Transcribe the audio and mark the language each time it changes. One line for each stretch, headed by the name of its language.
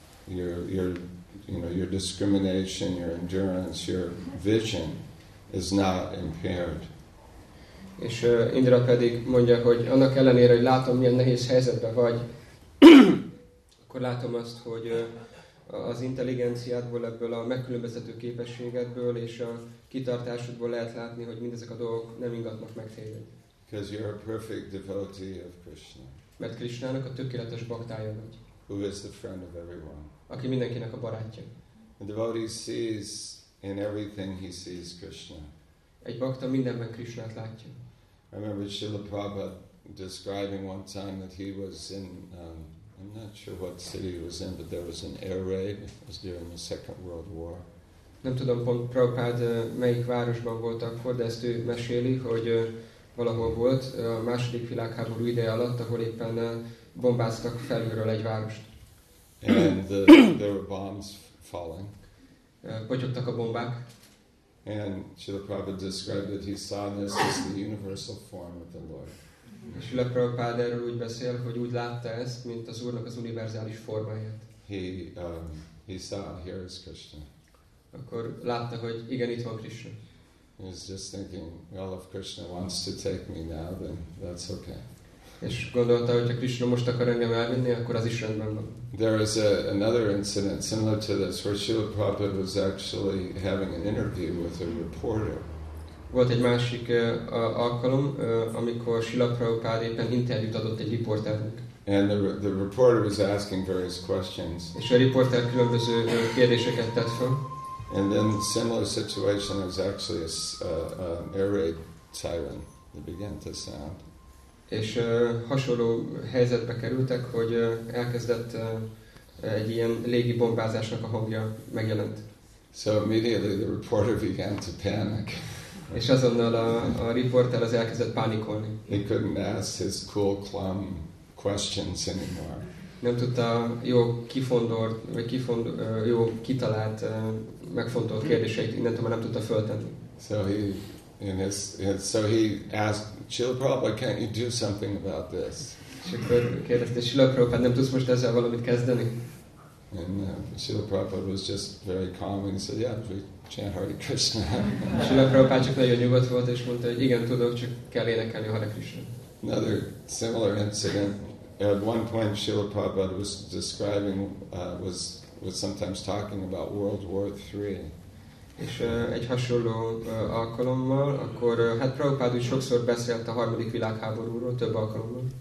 English: your discrimination, your endurance, your vision is not impaired.
Hungarian: És Indra pedig mondja, hogy annak ellenére, hogy látom, milyen nehéz helyzetben vagy, akkor látom azt, hogy az intelligenciádból, ebből a megkülönböztető képességedből és a kitartásodból lehet látni, hogy mindezek a dolgok nem ingatnak meg téged.
English: Because you're a perfect devotee of Krishna.
Hungarian: Mert Krishnának a tökéletes baktája vagy.
English: Who is the friend of everyone.
Hungarian: Aki mindenkinek a barátja.
English: A devotee sees in everything he sees Krishna.
Hungarian: Egy bakta mindenben Krishnát látja.
English: I remember Srila Prabhupada describing one time that he was in, I'm not sure what city he was in, but there was an air raid. It was during the Second World War.
Hungarian: Nem tudom pont Prabhupada melyik városban volt akkor, de ezt ő meséli, hogy valahol volt a második világháború ideje alatt, ahol éppen bombáztak felülről egy várost.
English: And there were bombs falling.
Hungarian: Potyogtak a bombák.
English: And Srila Prabhupada described it, he saw this as the universal form of the Lord.
Hungarian: Srila Prabhupada erről úgy beszél, hogy úgy látta ezt, mint az Úrnak az univerzális formáját.
English: He saw, here is Krishna.
Hungarian: Akkor látta, hogy igen, itt van Krishna.
English: He was just thinking, well, if Krishna wants to take me now, then that's okay.
Hungarian: És gondolta, hogy ha Krishna most akar engem elvinni, akkor az is rendben van.
English: There is another incident similar to this, where Srila Prabhupada was actually having an interview with a reporter.
Hungarian: Volt egy másik alkalom, amikor Srila Prabhupada éppen interjút adott egy riporternek.
English: And the reporter was asking various questions.
Hungarian: És a riporter különböző kérdéseket tett fel.
English: And then a similar situation was actually an air raid siren that began to sound.
Hungarian: És hasonló helyzetbe kerültek, hogy elkezdett egy ilyen légi bombázásnak a hangja megjelent.
English: So immediately the reporter began to panic.
Hungarian: És azonnal a riporter az elkezdett pánikolni.
English: He couldn't ask his cool, calm questions anymore.
Hungarian: Nem tudta jó kifondort, vagy jó kitalált, megfontolt kérdéseit, innentől már nem tudta föltenni.
English: So he asked, Srila Prabhupada, can't you do something about this?
Hungarian: És akkor kérdezte, Srila Prabhupada, nem tudsz most ezzel valamit kezdeni?
English: And Srila Prabhupada was just very calm and said, yeah, we chant Hare Krishna.
Hungarian: Srila Prabhupada csak nagyon nyugodt volt, és mondta, hogy igen, tudok, csak kell énekelni Hare Krishna.
English: Another similar incident. At one point, Srila Prabhupada was describing, was sometimes talking about World War III.
Hungarian: És egy hasonló alkalommal, akkor hát Prabhupád úgy sokszor beszélt a harmadik világháborúról, több alkalommal.